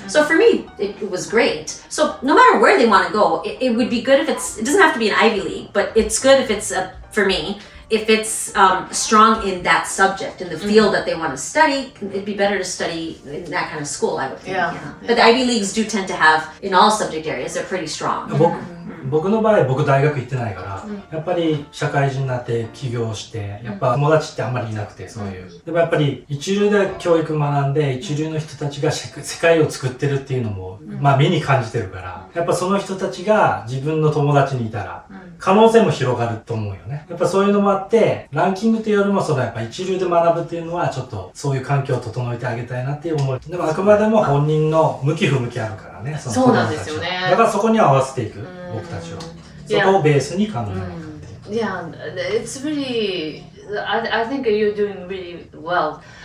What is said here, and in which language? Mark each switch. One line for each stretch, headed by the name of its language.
English: So for me, it was great. So no matter where they want to go, it would be good if it's, it doesn't have to be an Ivy League, but it's good if it's, for me, if it's strong in that subject, in the field that they want to study, it'd be better to study in that kind of school, I would think. Yeah. Yeah. But the Ivy Leagues do tend to have, in all subject areas, they're pretty strong.
Japanese: 僕の場合、僕大学行ってないから、やっぱり社会人になって起業して、やっぱ友達ってあんまりいなくて、そういう。でもやっぱり一流で教育学んで、一流の人たちが世界を作ってるっていうのも、まあ目に感じてるから、やっぱその人たちが自分の友達にいたら、可能性も広がると思うよね。やっぱそういうのもあって、ランキングというよりも、そのやっぱ一流で学ぶっていうのは、ちょっとそういう環境を整えてあげたいなっていう思い。でもあくまでも本人の向き不向きあるからね、その友達たちは。だからそこに合わせていく。僕たちを、そこをベースに考えるって。
English: Yeah, it's really, I think you're doing really well.